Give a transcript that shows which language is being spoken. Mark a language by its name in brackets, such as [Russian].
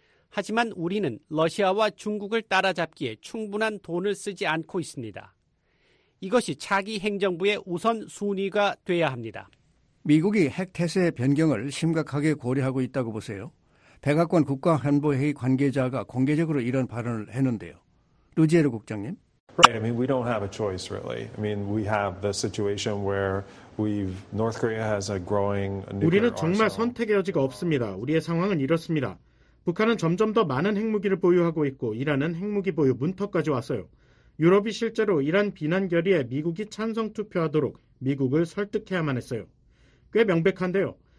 [Korean] 하지만 우리는 러시아와 중국을 따라잡기에 충분한 돈을 쓰지 않고 있습니다. 이것이 차기 행정부의 우선순위가 돼야 합니다. 미국이 핵태세 변경을 심각하게 고려하고 있다고 보세요. 백악관 국가안보회의 관계자가 공개적으로 이런 발언을 했는데요. 루지에르 국장님. [English] Right. I mean, we don't have a choice, really. I mean, we have the situation where North Korea has a growing nuclear arsenal. [Korean] 우리는 정말 선택의 여지가 없습니다. 우리의 상황은 이렇습니다. 북한은 점점 더 많은 핵무기를 보유하고 있고 이란은 핵무기 보유 문턱까지 왔어요. 유럽이 실제로 이란 비난 결의에 미국이 찬성 투표하도록 미국을 설득해야만 했어요. 꽤 명백한데요.